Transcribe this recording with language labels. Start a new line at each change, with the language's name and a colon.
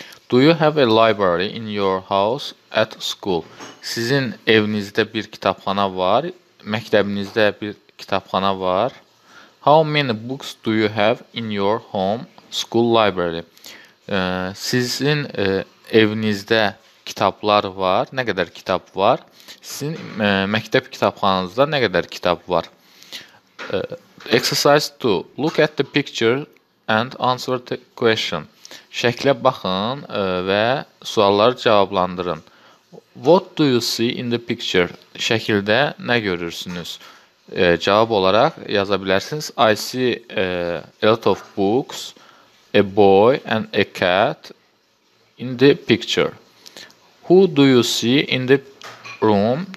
English: Do you have a library in your house at school?
Azerbaijani: Sizin evinizdə bir kitabxana var? Məktəbinizdə bir kitabxana var?
English: How many books do you have in your home? School library.
Azerbaijani: Sizin evinizdə kitablar var? Nə qədər kitab var? Sizin məktəb kitabxanınızda nə qədər kitab var?
English: Exercise 2. Look at the picture and answer the question.
Azerbaijani: Şəklə baxın və sualları cavablandırın.
English: What do you see in the picture?
Azerbaijani: Şəkildə nə görürsünüz? Cavab olaraq yaza bilərsiniz.
English: I see a lot of books. A boy and a cat in the picture. Who do you see in the room?